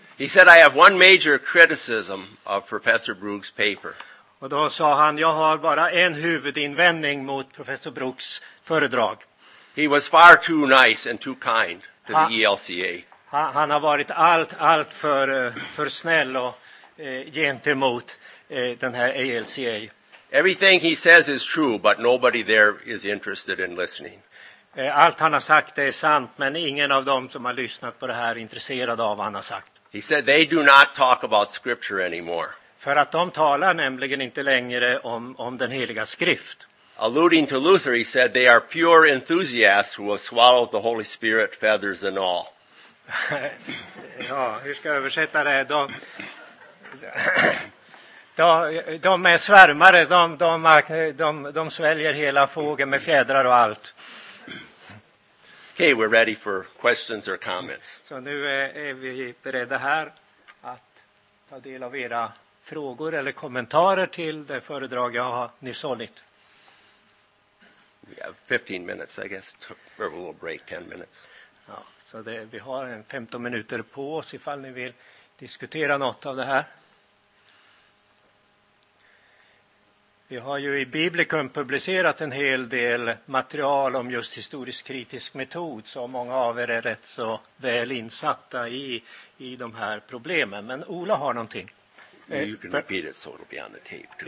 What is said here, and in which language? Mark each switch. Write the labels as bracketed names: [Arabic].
[English] He said, I have one major criticism of Professor Brooks' paper. [Swedish] Och då sa han, jag har bara en huvudinvändning mot professor Brooks föredrag. [English] He was far too nice and too kind to the ELCA. [Swedish] Han har varit allt för snäll och gentemot den här ELCA. [English] Everything he says is true, but nobody there is interested in listening. [Swedish] Allt han har sagt är sant, men ingen av dem som har lyssnat på det här är intresserad av vad han har sagt. [English] He said they do not talk about scripture anymore. [Swedish] För att de talar nämligen inte längre om den heliga skrift. [English] Alluding to Luther, he said they are pure enthusiasts who have swallowed the Holy Spirit feathers and all. [Swedish] Ja, hur ska jag översätta det? De är svärmare, de sväljer hela fågeln med fjädrar och allt. [English] Okay, we're ready for questions or comments. [Swedish] Så nu är vi beredda här att ta del av era frågor eller kommentarer till det föredrag jag har nyss hållit. [English] We have 15 minutes, I guess. We will break 10 minutes. [Swedish] Ja, så vi har 15 minuter på oss ifall ni vill diskutera något av det här. Vi har ju i Biblikum publicerat en hel del material om just historisk kritisk metod, så många av er är rätt så väl insatta i de här problemen. Men Ola har någonting. [English] You can repeat it so it'll be on the tape too.